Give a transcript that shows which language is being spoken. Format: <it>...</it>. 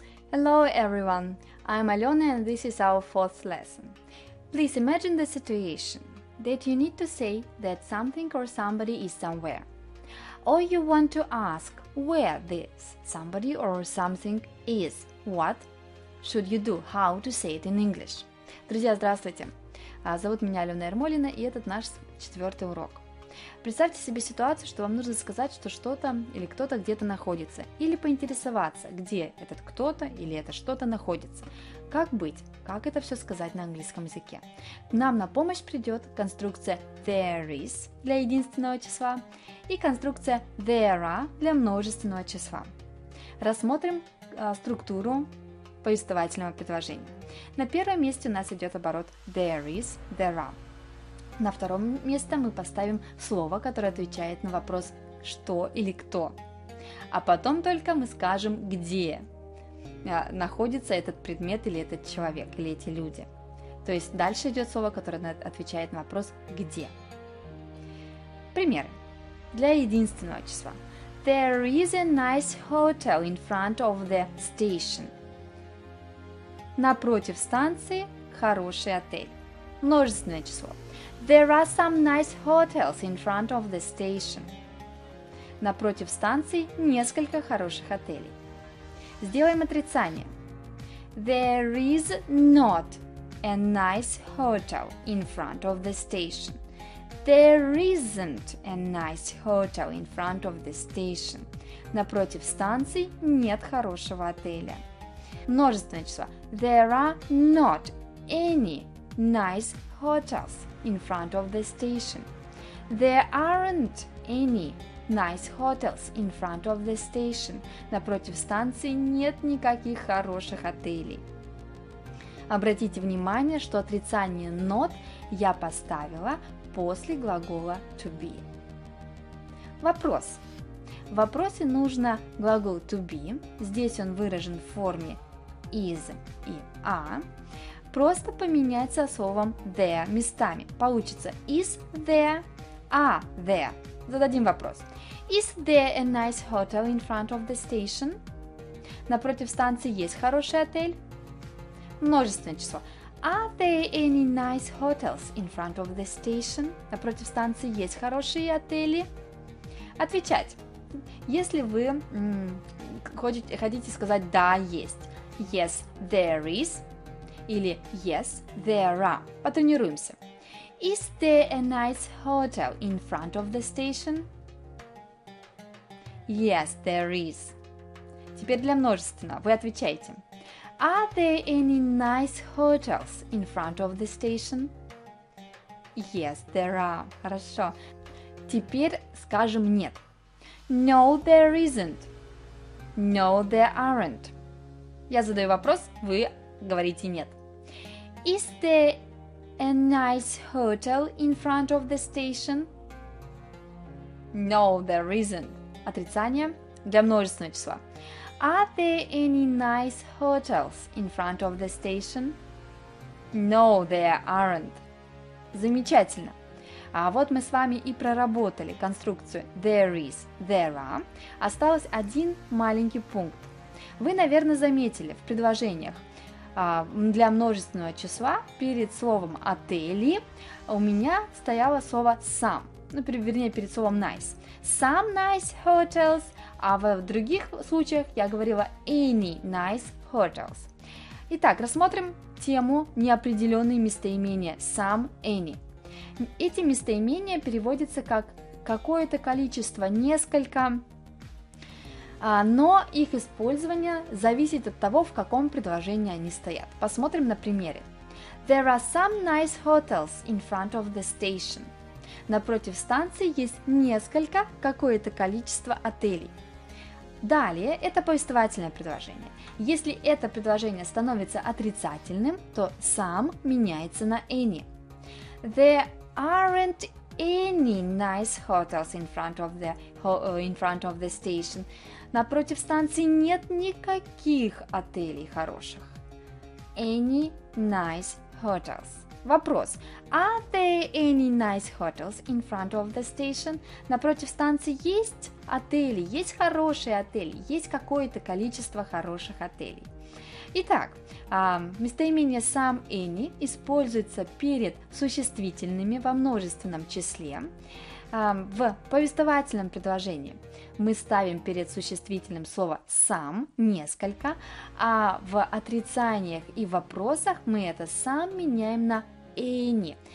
<en>Hello everyone, I'm Alena and this is our fourth lesson. Please imagine the situation that you need to say that something or somebody is somewhere. Or you want to ask where this somebody or something is. What should you do? How to say it in English?</en> <ru>Друзья, здравствуйте! Зовут меня Алена Ермолина и этот наш четвертый урок. Представьте себе ситуацию, что вам нужно сказать, что что-то или кто-то где-то находится, или поинтересоваться, где этот кто-то или это что-то находится. Как быть? Как это все сказать на английском языке? Нам на помощь придет конструкция there is для единственного числа и конструкция there are для множественного числа. Рассмотрим структуру повествовательного предложения. На первом месте у нас идет оборот there is, there are. На втором месте мы поставим слово, которое отвечает на вопрос «что» или «кто». А потом только мы скажем, где находится этот предмет или этот человек, или эти люди. То есть дальше идет слово, которое отвечает на вопрос «где». Примеры. Для единственного числа.</ru> <en>There is a nice hotel in front of the station.</en> <ru>Напротив станции хороший отель. Множественное число.</ru> <en>There are some nice hotels in front of the station.</en> <ru>Напротив станции несколько хороших отелей. Сделаем отрицание.</ru> <en>There is not a nice hotel in front of the station. There isn't a nice hotel in front of the station.</en> <ru>Напротив станции нет хорошего отеля. Множественное число.</ru> <en>There are not any nice hotels in front of the station. There aren't any nice hotels in front of the station.</en> <ru>Напротив станции нет никаких хороших отелей. Обратите внимание, что отрицание not я поставила после глагола to be. Вопрос. В вопросе нужно глагол to be. Здесь он выражен в форме is и are. Просто поменять со словом there местами. Получится is there, are there. Зададим вопрос.</ru> <en>Is there a nice hotel in front of the station?</en> <ru>Напротив станции есть хороший отель? Множественное число.</ru> <en>Are there any nice hotels in front of the station?</en> <ru>Напротив станции есть хорошие отели? Отвечать. Если вы хотите сказать да, есть.</ru> <en>Yes, there is. Или yes, there are.</en> <ru>Потренируемся.</ru> <en>Is there a nice hotel in front of the station? Yes, there is.</en> <ru>Теперь для множественного. Вы отвечаете.</ru> <en>Are there any nice hotels in front of the station? Yes, there are.</en> <ru>Хорошо. Теперь скажем нет.</ru> <en>No, there isn't. No, there aren't.</en> <ru>Я задаю вопрос, вы говорите нет.</ru> <en>Is there a nice hotel in front of the station? No, there isn't.</en> <ru>Отрицание для множественного числа.</ru> <en>Are there any nice hotels in front of the station? No, there aren't.</en> <ru>Замечательно. А вот мы с вами и проработали конструкцию there is, there are. Осталось один маленький пункт. Вы, наверное, заметили в предложениях, для множественного числа перед словом «отели» у меня стояло слово «some», ну, вернее, перед словом «nice».</ru> <en>«Some nice hotels»,</en> <ru>а в других случаях я говорила</ru> <en>«any nice hotels».</en> <ru>Итак, рассмотрим тему «неопределенные местоимения» «some», «any». Эти местоимения переводятся как «какое-то количество», «несколько». Но их использование зависит от того, в каком предложении они стоят. Посмотрим на примере.</ru> <en>There are some nice hotels in front of the station.</en> <ru>Напротив станции есть несколько, какое-то количество отелей. Далее, это повествовательное предложение. Если это предложение становится отрицательным, то some меняется на any.</ru> <en>There aren't any nice hotels in front of the station.</en> <ru>Напротив станции нет никаких отелей хороших.</ru> <en>Any nice hotels.</en> <ru>Вопрос.</ru> <en>Are there any nice hotels in front of the station?</en> <ru>Напротив станции есть отели, есть хорошие отели, есть какое-то количество хороших отелей. Итак, местоимение some, any используется перед существительными во множественном числе. В повествовательном предложении мы ставим перед существительным слово «сам» несколько, а в отрицаниях и вопросах мы это «сам» меняем на «any».</ru>